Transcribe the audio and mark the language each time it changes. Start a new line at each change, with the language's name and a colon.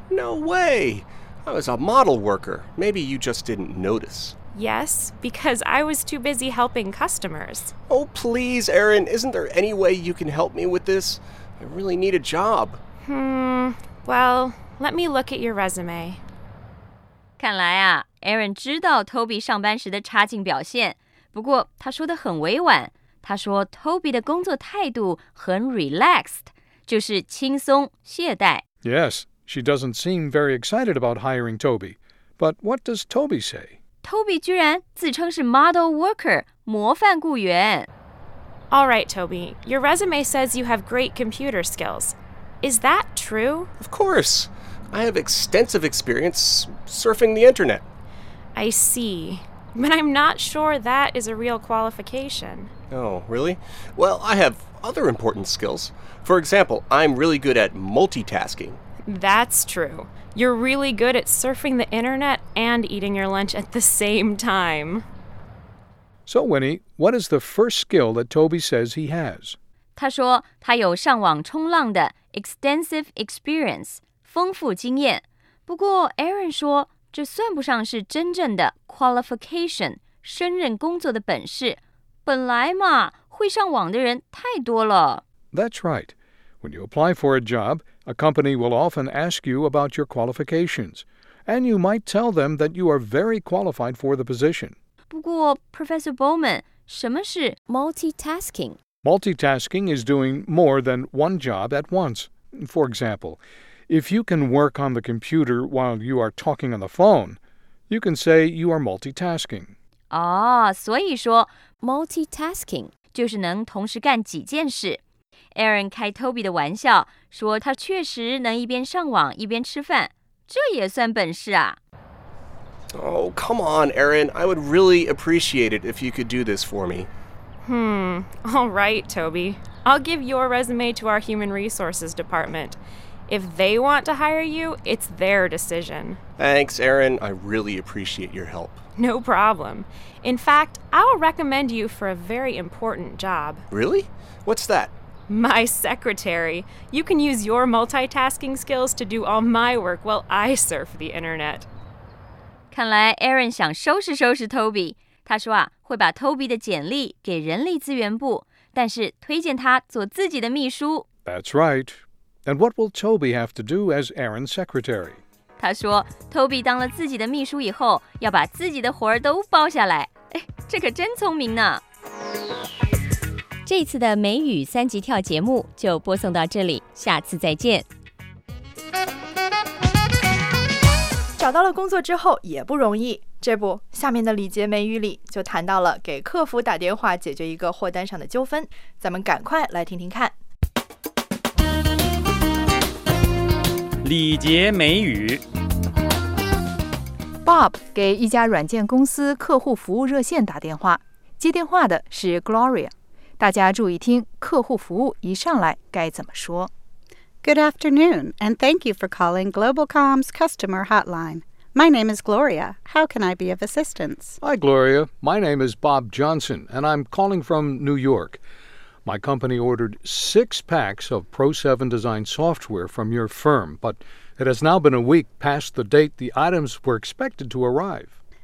English: No way! I was a model worker. Maybe you just didn't notice. Yes, because I was too busy helping customers. Oh, please, Aaron, isn't there any way you can help me with this? I really need a job. Well, let me look at your resume.
Chinese: 看来啊 ，Aaron 知道 Toby 上班时的差劲表现，不过他说得很委婉。他说 Toby 的工作态度很 relaxed， 就是轻松懈怠。
English: Yes, she doesn't seem very excited about hiring Toby. But what does Toby say?
Chinese: Toby 居然自称是 model worker， 模范雇员。
English: All right, Toby, your resume says you have great computer skills. Is that true? Of course. I have extensive experience surfing the internet. I see. But I'm not sure that is a real qualification. Oh, really? Well, I have other important skills. For example, I'm really good at multitasking. That's true. You're really good at surfing the internet and eating your lunch at the same time. So, Winnie, what is the first skill that Toby says he has?
Chinese: 他说他有上网冲浪的 extensive experience. 丰富经验，不过 Aaron 说这算不上是真正的 qualification， 胜任工作的本事。本来嘛，会上网的人太多了。
English: That's right. When you apply for a job, a company will often ask you about your qualifications, and you might tell them that you are very qualified for the position.
Chinese: 不过 Professor Bowman, 什么是
English: multitasking? Multitasking is doing more than one job at once. For example, if you can work on the computer while you are talking on the phone, you can say you are multitasking.
Chinese: 哦，所以说 multitasking 就是能同时干几件事。 Aaron 开 Toby 的玩笑，说他确实能一边上网一边吃饭，这也算本事啊。
English: Oh, come on, Aaron. I would really appreciate it if you could do this for me. All right, Toby. I'll give your resume to our human resources department. If they want to hire you, it's their decision. Thanks, Aaron. I really appreciate your help. No problem. In fact, I'll recommend you for a very important job. Really? What's that? My secretary. You can use your multitasking skills to do all my work while I surf the internet.
Chinese: 看来 Aaron 想收拾收拾 Toby. 他说啊，会把 Toby 的简历给人力资源部，但是推荐他做自己的秘书。
English: That's right. And what will Toby have to do as Aaron's secretary?
Chinese: 他说 ,Toby 当了自己的秘书以后，要把自己的活儿都包下来。哎，这可真聪明呢。这次的美语三级跳节目就播送到这里，下次再见。找到了工作之后也不容易，这不，下面的礼节美语里就谈到了给客服打电话解决一个货单上的纠纷，咱们赶快来听听看。礼节美语。 Bob 给一家软件公司客户服务热线打电话，接电话的是 Gloria。大家注意听，客户服务一上来该怎么说。
English: Good afternoon, and thank you for calling Globalcom's customer hotline. My name is Gloria. How can I be of assistance? Hi, Gloria. My name is Bob Johnson, and I'm calling from New York. My company ordered 6 packs of Pro 7 Design software from your firm, but it has now been a week past the date the items were expected to arrive.